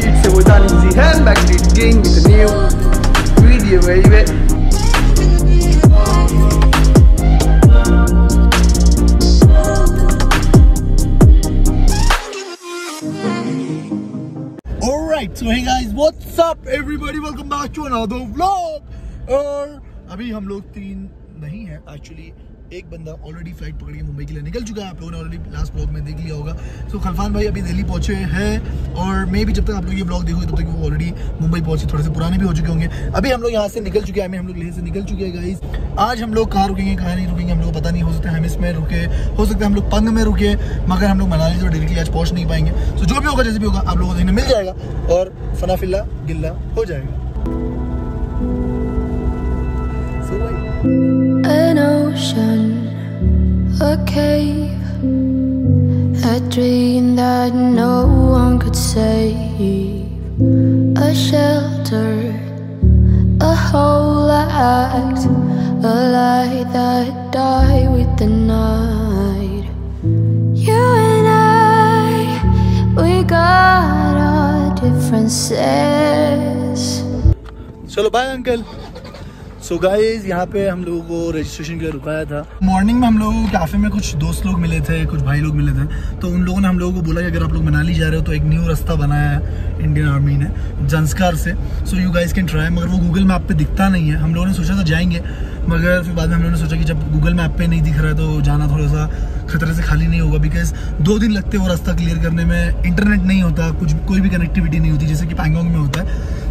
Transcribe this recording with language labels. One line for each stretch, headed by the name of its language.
English: It's your Dan Easy Hand back to the game with a new video, baby. Alright, so hey guys, what's up everybody? Welcome back to another vlog.
Hindi: अभी हम लोग तीन नहीं हैं actually. एक बंदा already flight पकड़ के मुंबई के लिए निकल चुका है, आप लोगों ने ऑलरेडी लास्ट ब्लॉग में देख लिया होगा. सो खलफान भाई अभी दिल्ली पहुंचे हैं और मे भी जब तक आप लोग ये ब्लॉग देखोगे तब तक वो ऑलरेडी मुंबई पहुंचे, थोड़े से पुराने भी हो चुके होंगे. अभी हम लोग यहाँ से निकल चुके हैं, हम लोग लेह से निकल चुके हैं गाइस. आज हम लोग कहाँ रुकेंगे कहाँ नहीं रुकेंगे हम लोग पता नहीं, हो सकता है हम इसमें रुके, हो सकता है हम लोग पंग में रुके, मगर हम लोग मनाली से डायरेक्टली आज पहुँच नहीं पाएंगे. सो जो भी होगा जैसे भी होगा आप लोगों को देखने मिल जाएगा और फनाफिल्ला गिल्ला हो जाएगा.
English: An ocean, a cave, a dream that no one could save, a shelter, a whole act, a light that died with the night. You and I, we got our differences.
Hindi: Chalo, bye uncle. So guys यहाँ पे हम लोगों को registration के लिए रुकाया था. Morning में हम लोगों को कैफे में कुछ दोस्त लोग मिले थे, कुछ भाई लोग मिले थे, तो उन लोगों ने हम लोगों को बोला कि अगर आप लोग मनाली जा रहे हो तो एक न्यू रास्ता बनाया है इंडियन आर्मी ने जंस्कार से,
English: So you guys can try.
Hindi: मगर वो गूगल मैप पर दिखता नहीं है. हम लोगों ने सोचा था जाएंगे, मगर फिर बाद में हम लोगों ने सोचा कि जब गूगल मैप पर नहीं दिख रहा है तो जाना थोड़ा सा खतरे से खाली नहीं होगा, बिकॉज दो दिन लगते वो रास्ता क्लियर करने में, इंटरनेट नहीं होता, कुछ कोई भी कनेक्टिविटी नहीं होती जैसे कि पैंगोंग में होता है.